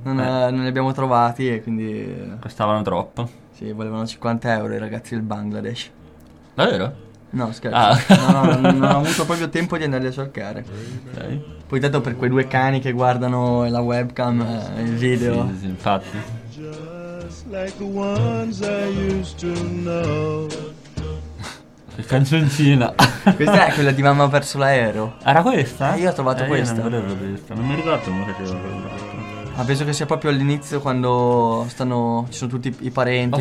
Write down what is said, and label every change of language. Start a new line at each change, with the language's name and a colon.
Italian: Non li abbiamo trovati e quindi... Costavano troppo. Sì, volevano 50 euro i ragazzi del Bangladesh. Davvero? No, scherzo. Ah. Non ho avuto proprio tempo di andarli a cercare. Okay. Poi tanto per quei due cani che guardano la webcam, il video. Sì, sì, infatti.
English: Like the ones I used to know.
Italian: Che canzoncina. Questa è quella di Mamma verso l'aereo. Era questa? Io ho trovato questa. Non mi ricordo come faceva. Ma penso che sia proprio all'inizio, quando stanno, ci sono tutti i parenti.